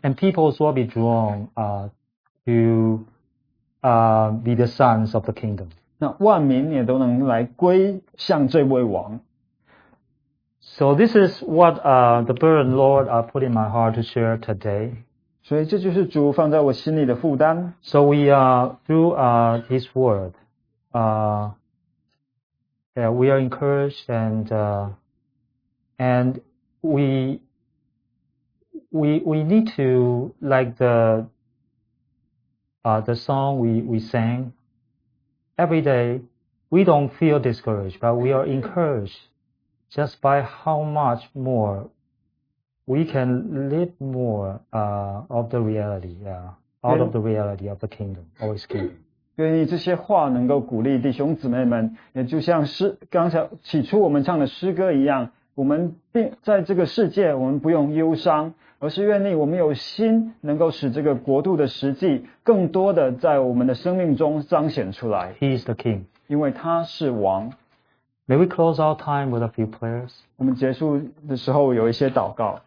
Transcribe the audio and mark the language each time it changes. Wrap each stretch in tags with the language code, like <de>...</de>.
<en>And people will be drawn to be the sons of the kingdom.</en> <zh>那万民也都能来归向这位王。</zh> <en>So this is what the burden Lord put in my heart to share today.</en> <zh>所以这就是主放在我心里的负担。</zh> <en>So we are through His word, we are encouraged and we we need to like the song we sang every day. We don't feel discouraged, but we are encouraged just by how much more we can live more of the reality, out of the reality of the kingdom, always kingdom.</en> <zh>愿意这些话能够鼓励弟兄姊妹们，也就像诗刚才起初我们唱的诗歌一样，我们并在这个世界我们不用忧伤，而是愿意我们有心能够使这个国度的实际更多的在我们的生命中彰显出来。</zh> <en>He is the king.</en> <zh>因为他是王。</zh> <en>May we close our time with a few prayers?</en> <zh>我们结束的时候有一些祷告。</zh>